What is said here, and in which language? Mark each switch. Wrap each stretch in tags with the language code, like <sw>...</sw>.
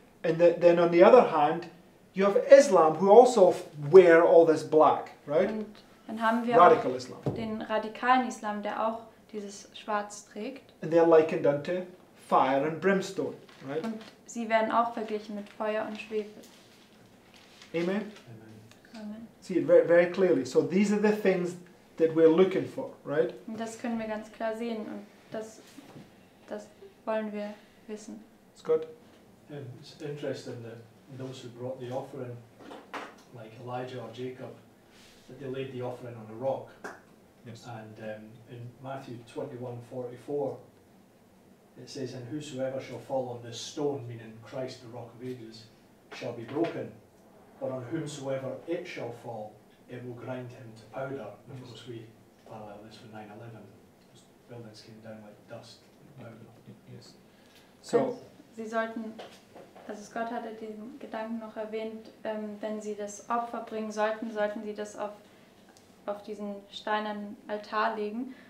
<en>And then on the other hand, you have Islam, who also wear all this black, right?</en> <de>Und dann haben wir Radical auch Islam. Den radikalen Islam, der auch dieses Schwarz trägt.</de> <en>And they're likened unto fire and brimstone, right?</en> <de>Und sie werden auch verglichen mit Feuer und Schwefel.</de> <en>Amen. See it very, very clearly. So these are the things that we're looking for, right?</en> <de>Das können wir ganz klar sehen, und das wollen wir wissen.</de> <en>It's good. It's interesting that those who brought the offering, like Elijah or Jacob, that they laid the offering on a rock. Yes. And in Matthew 21:44, it says, "And whosoever shall fall on this stone," meaning Christ, the Rock of Ages, "shall be broken. But on whomsoever it shall fall, it will grind him to powder." Of course, we parallel this with 9/11. Those buildings came down like dust and powder. Yes.</en> <de>So sie sollten, also Gott hatte den Gedanken noch erwähnt, wenn sie das Opfer bringen sollten, sollten sie das auf diesen steinernen Altar legen.</de>